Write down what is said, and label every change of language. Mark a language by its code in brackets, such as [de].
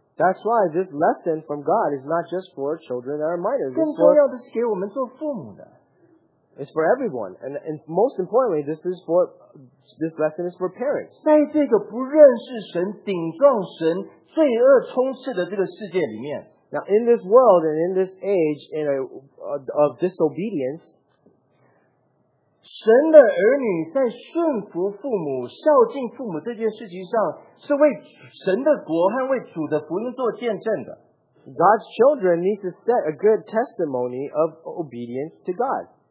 [en] That's why this lesson from God is not just for children that are minors. [zh] 更重要的是给我们做父母的。 [en] It's for everyone, and most importantly, this lesson is for parents. [zh] 在这个不认识神、顶撞神、罪恶充斥的这个世界里面, [en] now in this world and in this age of disobedience, [zh] 神的儿女在顺服父母、孝敬父母这件事情上，是为神的国和为主的福音做见证的. [en] God's children need to set a good testimony of obedience to God.